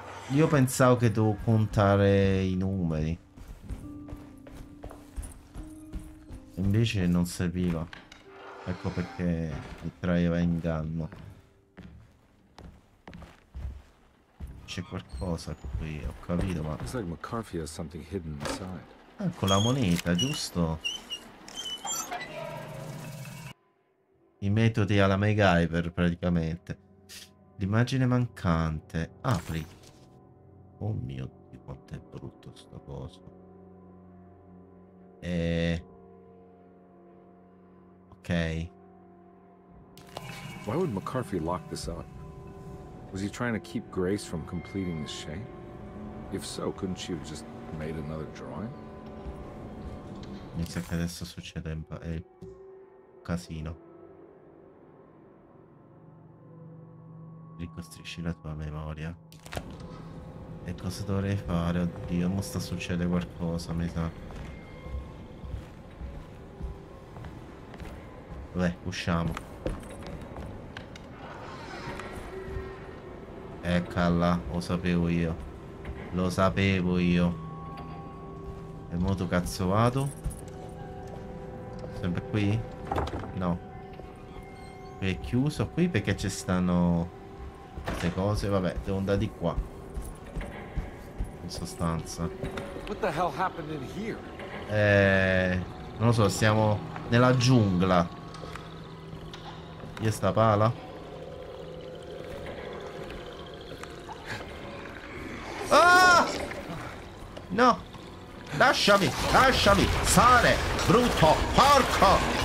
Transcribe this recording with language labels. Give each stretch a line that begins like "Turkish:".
Italian: Io pensavo che dovevo contare i numeri. Invece non serviva. Ecco perché mi traeva in inganno. C'è qualcosa qui, ho capito, ma.
English: Looks like McCarthy has something hidden inside.
Italian: Ecco la moneta, giusto? I metodi alla MacGyver, praticamente. L'immagine mancante. Apri. Oh mio Dio. Quanto è brutto sto coso. Ok.
English: Why would McCarthy lock this up? Was he trying to keep Grace from completing the shape? If so, couldn't she have just made another drawing?
Italian: Mi sa che adesso succede un casino. Ricostruisci la tua memoria. E cosa dovrei fare? Oddio, mo sta succedendo qualcosa, mi sa. Vabbè, usciamo. Eccola, lo sapevo io. Lo sapevo io. E mo tu cazzo vado? Sempre qui? No. È chiuso qui perché ci stanno queste cose. Vabbè, devo andare di qua. In sostanza.
English: What the hell happened in here?
Italian: Non lo so, siamo nella giungla. Io sta pala. No! Lasciami! Lasciami! Sale! Brutto! Porco!